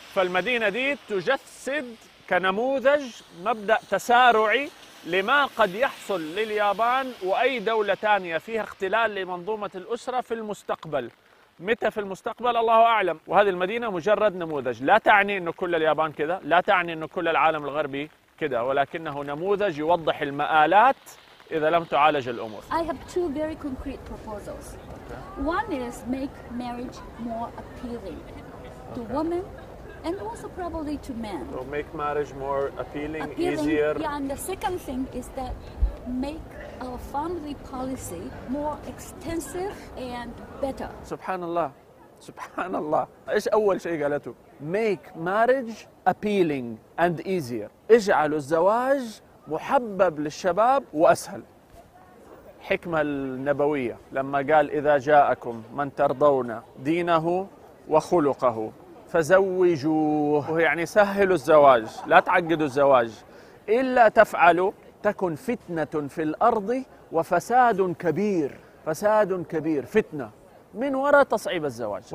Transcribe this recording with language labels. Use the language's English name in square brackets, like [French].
[Arabic] فالمدينه دي تجسد كنموذج مبدا تسارعي لما قد يحصل لليابان وأي دولة تانية فيها اختلال لمنظومة الأسرة في المستقبل. متى في المستقبل؟ الله أعلم. وهذه المدينة مجرد نموذج، لا تعني أنه كل اليابان كذا، لا تعني أنه كل العالم الغربي كذا، ولكنه نموذج يوضح المآلات إذا لم تعالج الأمور. [English] I have two very concrete proposals. One is make marriage more appealing to women. And also probably to men. So make marriage more appealing, easier. Yeah, and the second thing is that make our family policy more extensive and better. [Arabic] Subhanallah. Subhanallah. إيش أول شيء قالته؟ [English] Make marriage appealing and easier. [Arabic] اجعل الزواج محبب للشباب وأسهل. حكمة النبوية لما قال إذا جاءكم من ترضون دينه وخلقه فزوجوه، يعني سهلوا الزواج، لا تعقدوا الزواج، إلا تفعلوا تكن فتنة في الأرض وفساد كبير، فساد كبير، فتنة من وراء تصعيب الزواج.